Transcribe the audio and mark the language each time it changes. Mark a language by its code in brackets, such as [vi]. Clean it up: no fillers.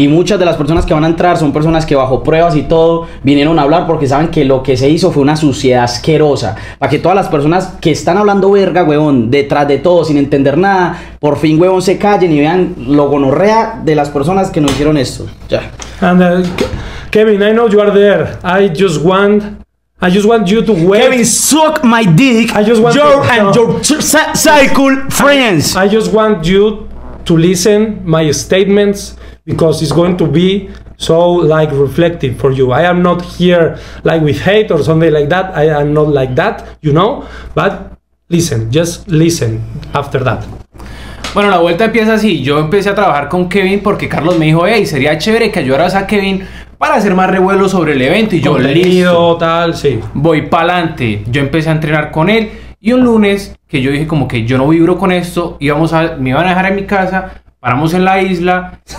[es] Y muchas de las personas que van a entrar son personas que bajo pruebas y todo vinieron a hablar porque saben que lo que se hizo fue una suciedad asquerosa. Para que todas las personas que están hablando verga, huevón, detrás de todo, sin entender nada, por fin, huevón, se callen y vean lo gonorrea de las personas que nos hicieron esto. Ya. [en] And, Kevin, I know you are there. I just want you to wait. Kevin, suck my dick. I just want your and no. your cycle friends. I just want you to listen my statements because it's going to be so like reflective for you. I am not here like with hate or something like that. I am not like that, you know. But listen, just listen after that. [es] Bueno, la vuelta empieza así. Yo empecé a trabajar con Kevin porque Carlos me dijo, hey, sería chévere que ayudaras a Kevin para hacer más revuelo sobre el evento. Y yo, listo, tal, sí. Voy pa'lante. Yo empecé a entrenar con él. Y un lunes, que yo dije como que yo no vibro con esto, me iban a dejar en mi casa, paramos en la isla.